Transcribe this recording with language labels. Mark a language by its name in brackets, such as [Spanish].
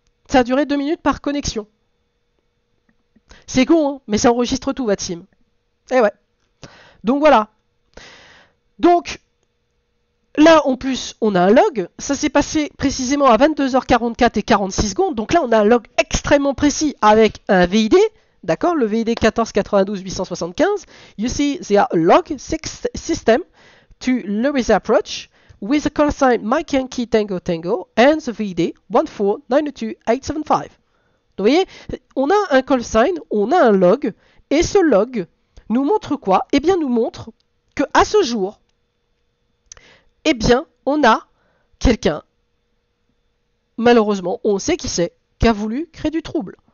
[French] Ça a duré 2 minutes par connexion. C'est con, hein, mais ça enregistre tout, Vatim. Eh ouais. Donc voilà. Donc, là, en plus, on a un log. Ça s'est passé précisément à 22h44 et 46 secondes. Donc là, on a un log extrêmement précis avec un VID. D'accord? Le VID 1492-875. [English] You see, there are a log system to Lewis Approach with a call sign Mike Yankee Tango Tango and the VID 1492-875. [French] Vous voyez, on a un call sign, on a un log, et ce log nous montre quoi? Eh bien, nous montre que à ce jour, eh bien, on a quelqu'un, malheureusement, on sait qui c'est, qui a voulu créer du trouble.